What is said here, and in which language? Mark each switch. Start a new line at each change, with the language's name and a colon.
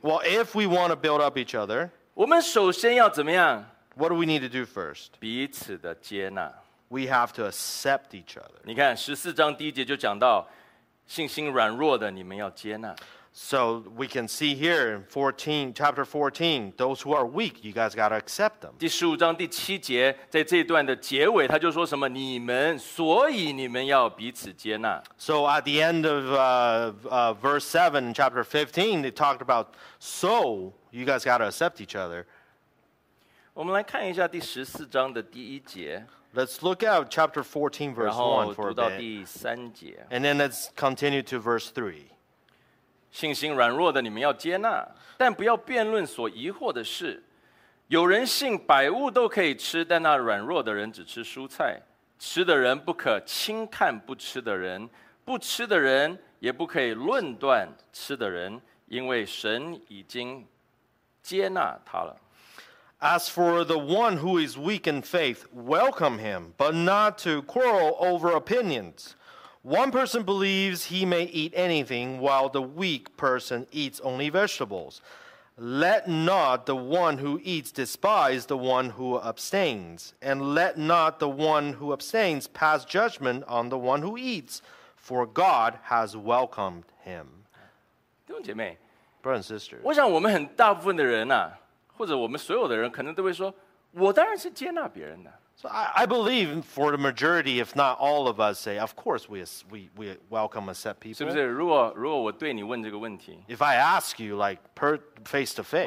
English: Well, if we want to build up each other.
Chinese: 我们首先要怎么样？
English: What do we need to do first?
Chinese: 彼此的接纳。
English: We have to accept each other.
Chinese: 你看十四章第一节就讲到。信心软弱的你们要接纳。
English: So we can see here in 14, chapter 14, those who are weak, you guys got to accept them.
Chinese: 第十五章第七节，在这段的结尾，他就说什么？你们，所以你们要彼此接纳。
English: So at the end of verse 7, chapter 15, they talked about, so you guys got to accept each other.
Chinese: 我们来看一下第十四章的第一节。
English: Let's look at chapter 14, verse 1 for a bit. And then let's continue to verse 3.
Chinese: 信心软弱的你们要接纳，但不要辩论所疑惑的事。有人信百物都可以吃，但那软弱的人只吃蔬菜。吃的人不可轻看不吃的人，不吃的人也不可以论断吃的人，因为神已经接纳他了。
English: As for the one who is weak in faith, welcome him, but not to quarrel over opinions. One person believes he may eat anything, while the weak person eats only vegetables. Let not the one who eats despise the one who abstains, and let not the one who abstains pass judgment on the one who eats, for God has welcomed him.
Chinese: 弟兄姐妹
English: Brothers and sisters,
Chinese: 我想我们很大部分的人啊或者我们所有的人可能都会说我当然是接纳别人的。
English: So I believe for the majority, if not all of us, say, of course we welcome and accept people.
Chinese: 是不是如果我对你问这个问题
English: If I ask you, like, face to face,